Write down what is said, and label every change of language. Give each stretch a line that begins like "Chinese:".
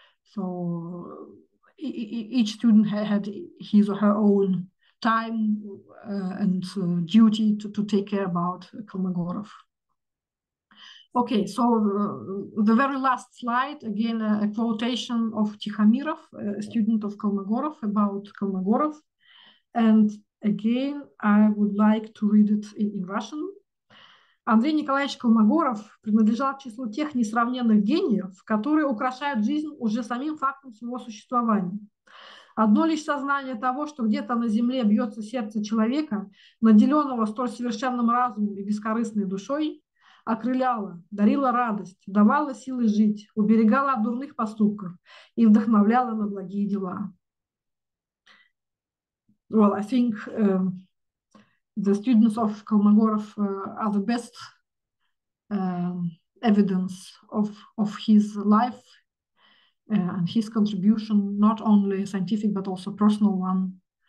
English: So each student had his or her own time and duty to take care about Kolmogorov. Okay, so the very last slide, again, a quotation of Tikhomirov, a student of Kolmogorov, about Kolmogorov. And again, I would like to read it in Russian.
Russian: Андрей Николаевич Колмогоров принадлежал к числу тех несравненных гениев, которые украшают жизнь уже самим фактом своего существования. Одно лишь сознание того, что где-то на земле бьется сердце человека, наделенного столь совершенным разумом и бескорыстной душой, окрыляло, дарило радость, давало силы жить, уберегало от дурных поступков и вдохновляло на благие дела.
English: Well, I think the students of Kolmogorov are the best evidence of his life and his contribution, not only scientific, but also personal one.